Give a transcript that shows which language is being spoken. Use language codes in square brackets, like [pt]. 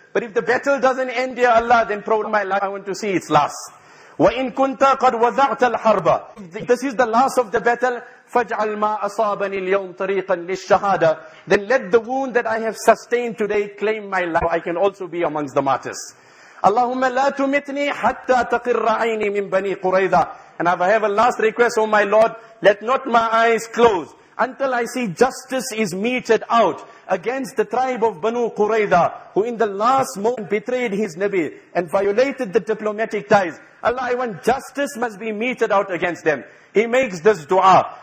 [en] But if the battle doesn't end, dear Allah, then prolong my life. I want to see its last. [ar] Wa in kunta qad wada'ta al-harba. [en] This is the last of the battle. [ar] فَاجْعَلْ مَا أَصَابَنِي الْيَوْمِ طَرِيقًا لِلشَّهَادَةِ. [en] Then let the wound that I have sustained today claim my life. I can also be amongst the martyrs. [ar] اللهم لا تمتني حتى تقر عيني من بني قريظة. [en] And if I have a last request, oh my Lord, let not my eyes close until I see justice is meted out against the tribe of Banu Qurayza, who in the last moment betrayed his Nabi and violated the diplomatic ties. Allah, I want justice must be meted out against them. He makes this dua.